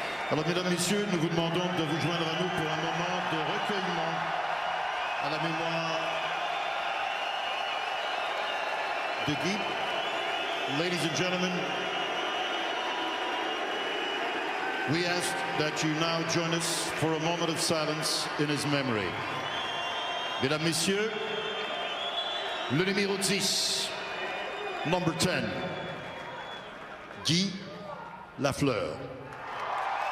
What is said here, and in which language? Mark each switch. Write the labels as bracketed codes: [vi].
[fr] Alors, mesdames, messieurs, nous vous demandons de vous joindre à nous pour un moment de recueillement à la mémoire de Guy. [en] Ladies and gentlemen, we ask that you now join us for a moment of silence in his memory. [fr] Mesdames, messieurs, le numéro 10, [en] number 10, [fr] Guy Lafleur. [en] Thank you.